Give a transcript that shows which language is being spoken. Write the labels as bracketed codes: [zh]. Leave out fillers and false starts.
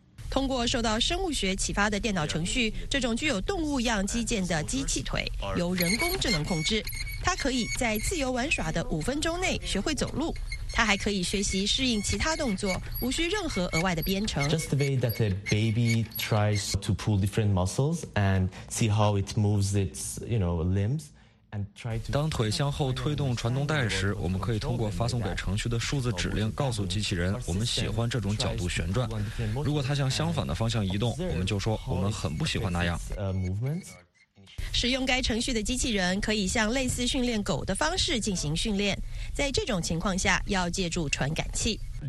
[zh] 通过受到生物学启发的电脑程序，这种具有动物样肌腱的机器腿由人工智能控制。它可以在自由玩耍的五分钟内学会走路，它还可以学习适应其他动作，无需任何额外的编程。 [en] Just the way that a baby tries to pull different muscles and see how it moves its, you know, limbs. [zh] 当腿向后推动传动带时，我们可以通过发送给程序的数字指令告诉机器人我们喜欢这种角度旋转。如果它向相反的方向移动，我们就说我们很不喜欢那样。使用该程序的机器人可以像类似训练狗的方式进行训练，在这种情况下要借助传感器，